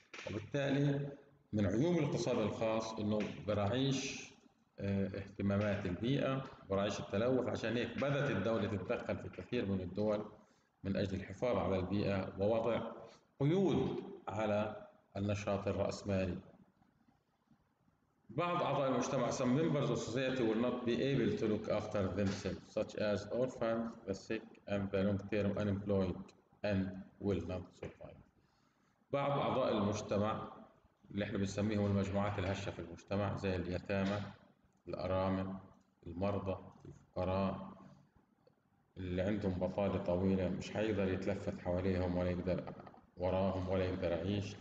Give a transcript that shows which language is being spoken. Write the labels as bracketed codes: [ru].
[ar] وبالتالي من عيوب الاقتصاد الخاص إنه براعيش اهتمامات البيئة، براعيش التلوث، عشان هيك بدأت الدولة تتدخل في كثير من الدول من أجل الحفاظ على البيئة ووضع قيود على النشاط الرأسمالي. بعض أعضاء المجتمع [en] some members of society will not be able to look after themselves such as orphans, the sick and the long term unemployed and will not survive. [ar] بعض أعضاء المجتمع اللي احنا بنسميهم المجموعات الهشة في المجتمع زي اليتامى، الأرامل، المرضى، الفقراء، اللي عندهم بطالة طويلة مش هيقدر يتلفت حواليهم ولا يقدر وراهم ولا يقدر يعيش.